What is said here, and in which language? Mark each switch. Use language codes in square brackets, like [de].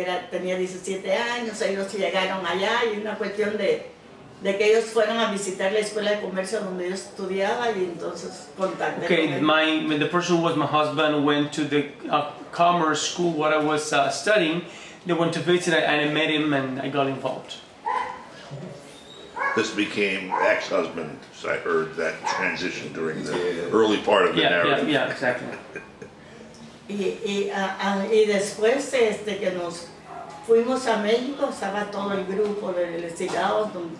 [es] Tenía 17 años, ellos llegaron allá y una cuestión de que ellos fueron a visitar la escuela de comercio donde yo estudiaba y entonces contacté. [en] Okay, the person who was my husband went to the commerce school where I was studying. They went to visit and I met him and I got involved. This became ex-husband, so I heard that transition during the early part of the narrative. Yeah, exactly. [es] y después que nos fuimos a México, estaba todo el grupo de investigados,